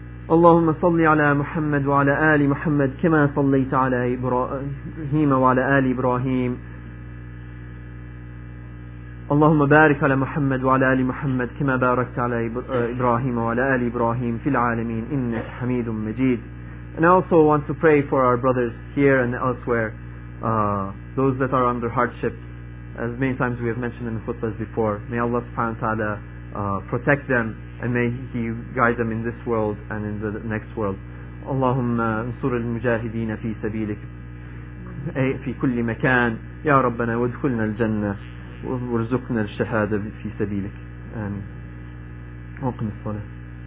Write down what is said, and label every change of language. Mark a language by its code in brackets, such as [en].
[ar] اللهم صل على محمد وعلى آل محمد كما صليت على إبراهيم وعلى آل إبراهيم. اللهم بارك على محمد وعلى آل محمد كما باركت على إبراهيم وعلى آل إبراهيم في العالمين إنك حميد مجيد. [en] And I also want to pray for our brothers here and elsewhere, those that are under hardship, as many times we have mentioned in the khutbahs before. May Allah subhanahu wa ta'ala protect them, and may He guide them in this world and in the next world. [ar] اللهم انصر المجاهدين في سبيلك في كل مكان يا ربنا وادخلنا الجنة وارزقنا الشهادة في سبيلك. آمين. أقم الصلاة.